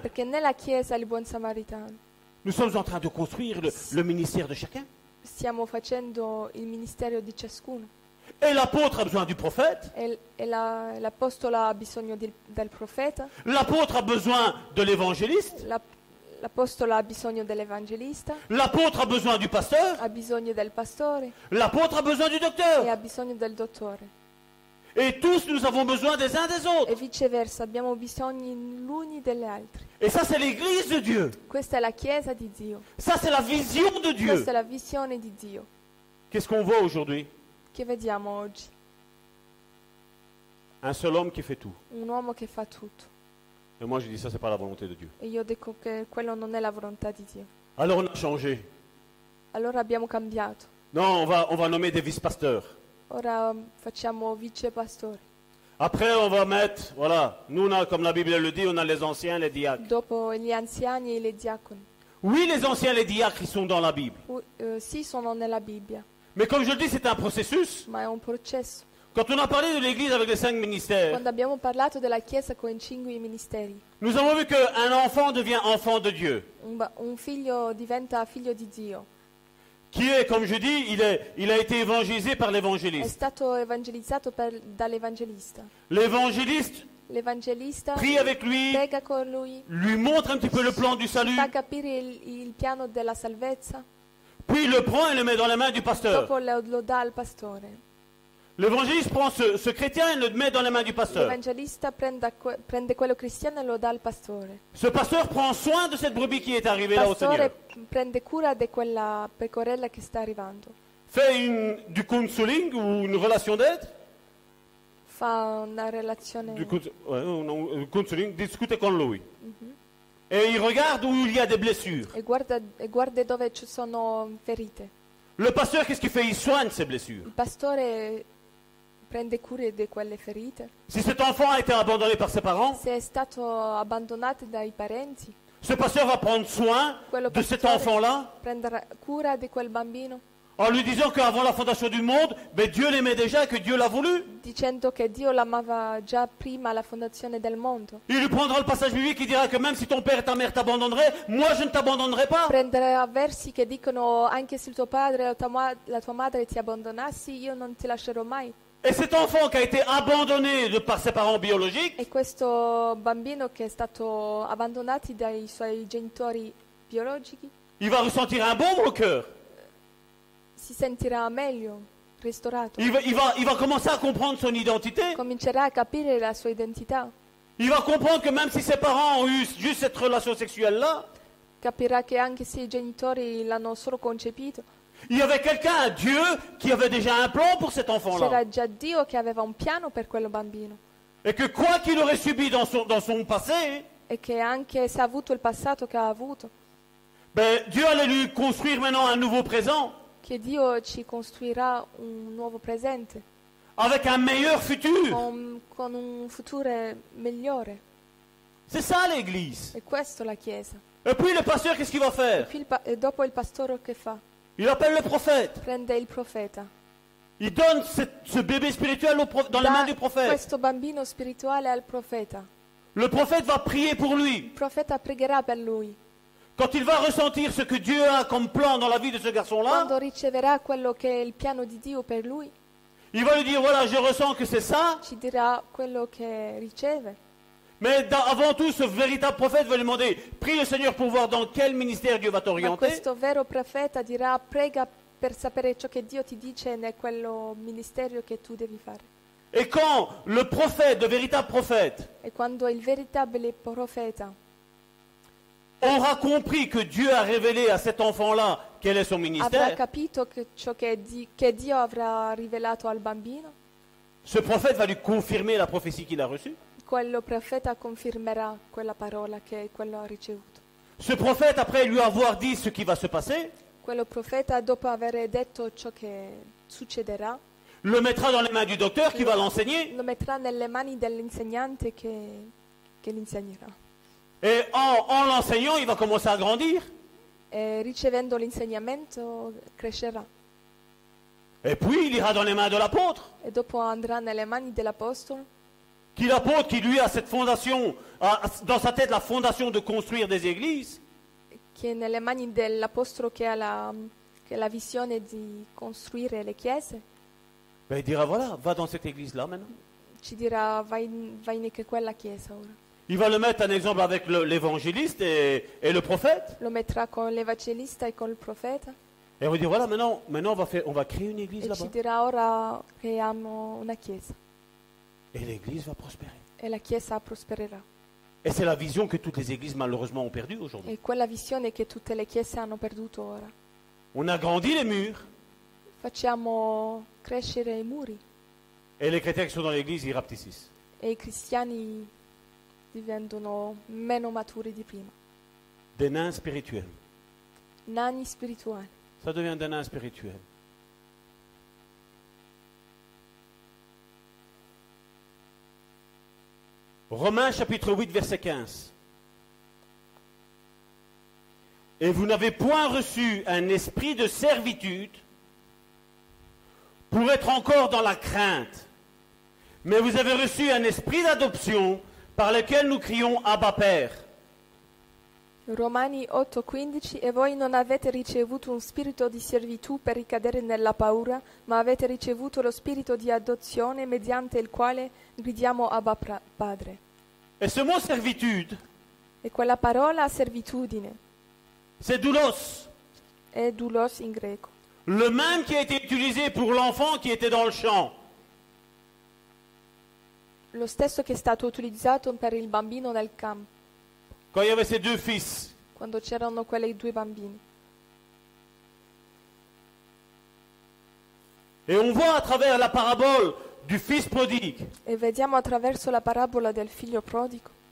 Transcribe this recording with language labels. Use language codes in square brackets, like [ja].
[it] Perché nella chiesa il buon samaritano. [fr] Nous sommes en train de construire le ministère de chacun. [it] Stiamo facendo il ministero di ciascuno. [fr] Et l'apôtre a besoin du prophète. [it] L'apostolo ha bisogno del profeta. [fr] L'apôtre a besoin de l'évangéliste. [it] L'apostolo ha bisogno dell'evangelista. [fr] L'apôtre a besoin du pasteur. [it] Ha bisogno del pastore. [fr] L'apôtre a besoin du docteur. [it] E ha bisogno del dottore. [fr] Et tous nous avons besoin des uns des autres. [it] E viceversa, abbiamo bisogno l'uni degli altri. [fr] Et ça c'est l'église de Dieu. [it] Questa è la chiesa di Dio. [fr] Ça c'est la vision de Dieu. [it] Questa è la visione di Dio. [fr] Qu'est-ce qu'on voit aujourd'hui? [it] Che vediamo oggi? [fr] Un seul homme qui fait tout. [it] Un uomo che fa tutto. [fr] Et moi je dis ça c'est pas la volonté de Dieu. [it] E io dico che quello non è la volontà di Dio. [fr] Alors on a changé. [it] Allora abbiamo cambiato. [fr] Non, on va nommer des vice-pasteurs. [it] Ora facciamo vice-pastori. [fr] Après on va mettre, voilà, nous on a comme la Bible le dit, on a les anciens, les diacres. [it] Dopo gli anziani e i diaconi. [fr] Oui, les anciens, les diacres, ils sont dans la Bible. [it] Sì, sono nella Bibbia. [fr] Mais comme je le dis, c'est un processus. [it] Ma è un processo. [fr] Quand on a parlé de l'Église avec les cinq ministères. [it] Quando abbiamo parlato della chiesa con i cinque ministeri. [fr] Nous avons vu qu'un enfant devient enfant de Dieu. [it] Un figlio diventa figlio di Dio. [fr] Qui est, comme je dis, il a été évangélisé par l'évangéliste. [it] È stato evangelizzato dall'evangelista. [fr] L'évangéliste prie avec lui. [it] Prega con lui. [fr] Lui montre un petit peu le plan du salut. [it] Fa capire il piano della salvezza. [fr] Puis il le prend et le met dans les mains du pasteur. [it] Dopo lo dà al pastore. [fr] L'évangéliste prend ce chrétien et le met dans les mains du pasteur. [it] L'evangelista prende quello cristiano e lo dà al pastore. [fr] Ce pasteur prend soin de cette brebis qui est arrivée là au Seigneur. [it] Pastore prende cura di quella pecorella che sta arrivando. [fr] Fait du counseling ou une relation d'aide. [it] Fa una relazione. Un counseling, discute con lui. [fr] Et il regarde où il y a des blessures. [it] E guarda dove ci sono ferite. [fr] Le pasteur, qu'est-ce qu'il fait? Il soigne ces blessures. [it] Il pastore prende cura di quelle ferite. [fr] Si cet enfant a été abandonné par ses parents. [it] Se è stato abbandonato dai parenti. [fr] Ce pasteur va prendre soin de cet enfant-là. [it] Prenderà cura di quel bambino. [fr] En lui disant qu'avant la fondation du monde, mais Dieu l'aimait déjà et que Dieu l'a voulu. [it] Dicendo che Dio l'amava già prima la fondazione del mondo. [fr] Il lui prendra le passage biblique qui dira que même si ton père et ta mère t'abandonneraient, moi je ne t'abandonnerai pas. [it] Prenderà versi che dicono anche se il tuo padre o la tua madre ti abbandonassi, io non ti lascerò mai. [fr] Et cet enfant qui a été abandonné de par ses parents biologiques. [it] E questo bambino che è stato abbandonato dai suoi genitori biologici. [fr] Il va ressentir un baume au cœur. [it] Si sentirà meglio, ristorato. [fr] Il va commencer à comprendre son identité. [it] Comincerà a capire la sua identità. [fr] Il va comprendre que même si ses parents ont eu juste cette relation sexuelle là. [it] Capirà che anche se i genitori l'hanno solo concepito. [fr] Il y avait quelqu'un, Dieu, qui avait déjà un plan pour cet enfant là. [it] C'era già Dio che aveva un piano per quello bambino. [fr] Et que quoi qu'il aurait subi dans son passé. [it] E che anche se ha avuto il passato che ha avuto. [fr] Ben Dieu allait lui construire maintenant un nouveau présent. [it] Che Dio ci costruirà un nuovo presente. [fr] Avec un meilleur futur. [it] Con un futuro migliore. [fr] C'est ça l'Église. [it] E questo la Chiesa. [fr] Et puis le pasteur, qu'est-ce qu'il va faire? Et [it] dopo il pastore che fa? [fr] Il appelle le prophète. [it] Prende il profeta. [fr] Il donne ce bébé spirituel dans les mains du prophète. [it] Questo bambino spirituale al profeta. [fr] Le prophète va prier pour lui. [it] Il profeta pregherà per lui. [fr] Quand il va ressentir ce que Dieu a comme plan dans la vie de ce garçon-là. [it] Quando riceverà quello che è il piano di Dio per lui. [fr] Il va lui dire, voilà, je ressens que c'est ça. [it] Ci dirà quello che riceve. [fr] Mais avant tout, ce véritable prophète va lui demander, prie le Seigneur pour voir dans quel ministère Dieu va t'orienter. [it] Ma questo vero profeta dirà, prega per sapere ciò che Dio ti dice nel quello ministerio che tu devi fare. [fr] Et quand le prophète, le véritable prophète, et [it] quando il veritable profeta, [fr] aura compris que Dieu a révélé à cet enfant-là quel est son ministère, [it] avrà capito che ciò che Dio avrà rivelato al bambino, [fr] ce prophète va lui confirmer la prophétie qu'il a reçue. [it] Quello profeta confirmerà quella parola che quello ha ricevuto. [fr] Ce prophète, après lui avoir dit ce qui va se passer, [it] quello profeta, dopo aver detto ciò che succederà, [fr] le mettra dans les mains du docteur qui va l'enseigner. [it] Lo metterà nelle mani dell'insegnante che l'insegnerà. [fr] Et en l'enseignant, il va commencer à grandir. Et [it] ricevendo l'insegnamento, crescerà. [fr] Et puis, il ira dans les mains de l'apôtre. Et [it] dopo andrà nelle mani dell'apostolo. [fr] Qui l'apôtre, qui lui a cette fondation, a dans sa tête la fondation de construire des églises. [it] Che nelle mani dell'apostolo che ha la visione di costruire le chiese. [fr] Ben, il dira, voilà, va dans cette église-là maintenant. [it] Ci dirà, vai in quella chiesa ora. [fr] Il va le mettre un exemple avec l'évangéliste et le prophète. [it] Lo metterà con l'evangelista e col profeta. [fr] Et on va dire, voilà, maintenant on va créer une église et là-bas. [it] Ci dirà, ora creiamo una chiesa. [fr] Et l'église va prospérer. [it] E la chiesa prospererà. [fr] Et c'est la vision que toutes les églises malheureusement ont perdue aujourd'hui. [it] E quella visione che tutte le chiese hanno perduto ora. [fr] On a grandi les murs. [it] Facciamo crescere i muri. [fr] Et les chrétiens qui sont dans l'église, ils rapetissent. [it] E i cristiani diventano meno maturi di prima. [fr] Des nains spirituels. [it] Nani spirituali. [fr] Ça devient des nains spirituels. Romains chapitre 8, verset 15. Et vous n'avez point reçu un esprit de servitude pour être encore dans la crainte, mais vous avez reçu un esprit d'adoption par lequel nous crions Abba Père. [it] Romani 8, 15. E voi non avete ricevuto un spirito di servitù per ricadere nella paura, ma avete ricevuto lo spirito di adozione mediante il quale gridiamo Abba Padre. [fr] Et ce mot servitude. Et [it] quella parola servitudine. [fr] C'est doulos. [it] È doulos in greco. [fr] Le même qui a été utilisé pour l'enfant qui était dans le champ. [it] Lo stesso che è stato utilizzato per il bambino nel campo. [fr] Quand il y avait ses deux fils. [it] Quando c'erano quei due bambini. [fr] Et on voit à travers la parabole du fils prodigue. [it] E vediamo attraverso la parabola del figlio prodigo.